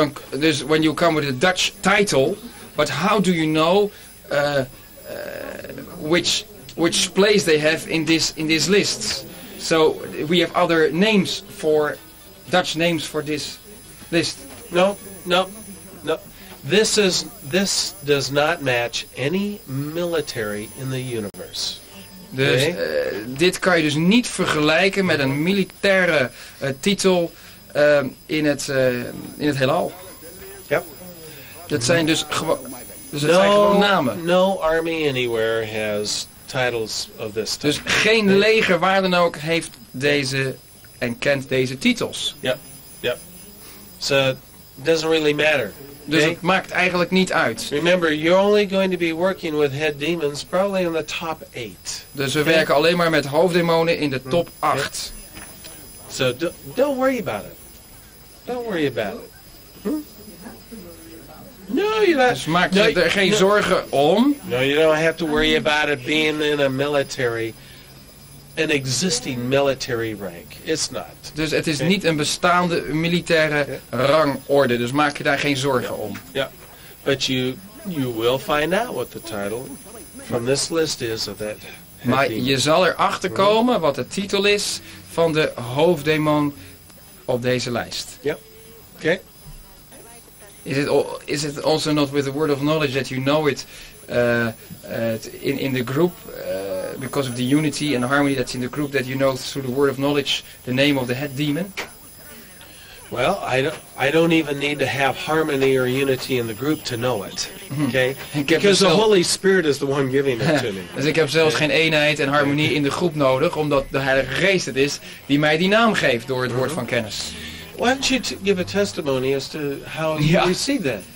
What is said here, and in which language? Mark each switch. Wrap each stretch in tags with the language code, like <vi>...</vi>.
<en>Dus when you come with a Dutch title, but how do you know which place they have in this list? So we have other names for Dutch names for this list. No. This does not match any military in the universe.</en> <nl>Dus dit kan je dus niet vergelijken met een militaire titel. In het heelal. Ja. Dat zijn dus gewoon namen.</nl> <en>No army anywhere has titles of this type.</en> <nl>Dus geen leger waar dan ook heeft deze en kent deze titels.</nl> <en>Ja. Ja. So it doesn't really matter.</en> <nl>Dus het maakt eigenlijk niet uit.</nl> <en>Remember, you're only going to be working with head demons probably in the top 8.</en> <nl>Dus we werken alleen maar met hoofddemonen in de top 8.</nl> <en>Okay. So don't worry about it. Don't worry about it. Hmm? No, you don't.</en> <nl>Dus maak je er geen zorgen om.</nl> <en>No, you don't have to worry about it being in a military, an existing military rank. It's not.</en> <nl>Dus het is niet een bestaande militaire rangorde. Dus maak je daar geen zorgen om.</nl> <en>Yeah. But you will find out what the title from this list is of that.</en> <nl>Maar je zal erachter komen wat de titel is van de hoofddemon op deze lijst. Ja. Oké.</nl> <en>Is it also not with the word of knowledge that you know it in the group because of the unity and harmony that's in the group that you know through the word of knowledge the name of the head demon? Well, I don't even need to have harmony or unity in the group to know it. Okay? Because the Holy Spirit is the one giving it to me.</en> <nl>Dus ik heb zelfs geen eenheid en harmonie in de groep nodig, omdat de Heilige Geest het is die mij die naam geeft door het woord van kennis.</nl> <en>Why don't you give a testimony as to how you see that?</en>